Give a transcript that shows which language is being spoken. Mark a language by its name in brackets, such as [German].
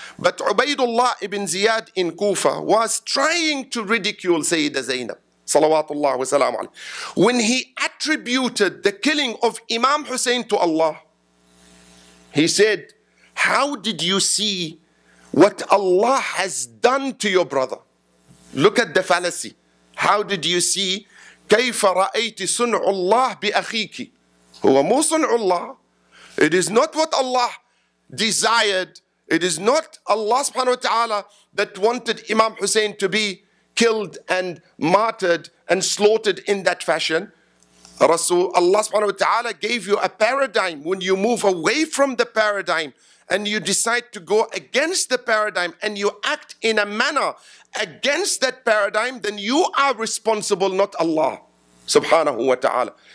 [English] But Ubaidullah ibn Ziyad in Kufa was trying to ridicule Sayyida Zainab, salawatullah wa salam alayhi, when he attributed the killing of Imam Hussein to Allah. He said, how did you see what Allah has done to your brother? Look at the fallacy. How did you see? [Arabic] كيف رأيت صنع الله بأخيك؟ هو مو صنع الله. [English] It is not what Allah desired. It is not Allah subhanahu wa ta'ala that wanted Imam Hussein to be killed and martyred and slaughtered in that fashion. Rasul Allah subhanahu wa ta'ala gave you a paradigm. When you move away from the paradigm and you decide to go against the paradigm and you act in a manner against that paradigm, then you are responsible, not Allah subhanahu wa ta'ala.